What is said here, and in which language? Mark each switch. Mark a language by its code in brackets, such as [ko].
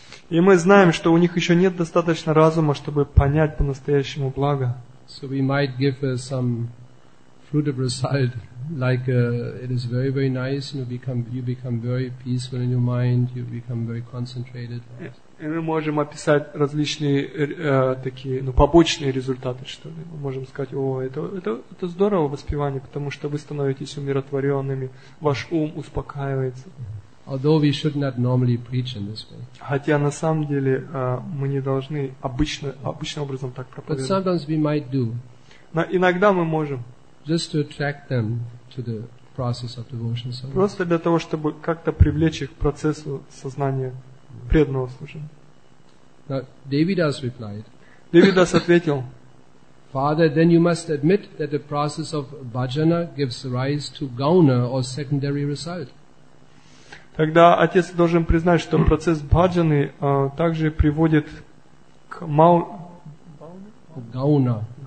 [ru] И мы знаем, что у них еще нет достаточно разума, чтобы понять по-настоящему благо. [en] So we might give some fruit of result, like it is very, very nice, and you become very peaceful in your mind, you become very concentrated. [ru] И мы можем описать различные такие, ну, побочные результаты, что ли. Мы можем сказать, о, это здорово воспевание, потому что вы становитесь умиротворенными, ваш ум успокаивается. [en] Although we should not normally preach in this way. [ru] Хотя на самом деле мы не должны обычным образом так проповедовать. [en] But sometimes we might do. [ru] Но иногда мы можем. [en] Just to attract them to the process of devotion. [ru] Просто для того, чтобы как-то привлечь их к процессу сознания. Преданного служения. [en] Now, Devidas replied. [ru] Devidas ответил. [en] Father, then you must admit that the process of bhajana gives rise to gauna or secondary result. [ru] Тогда отец должен признать, что процесс бхаджаны также приводит к гауна.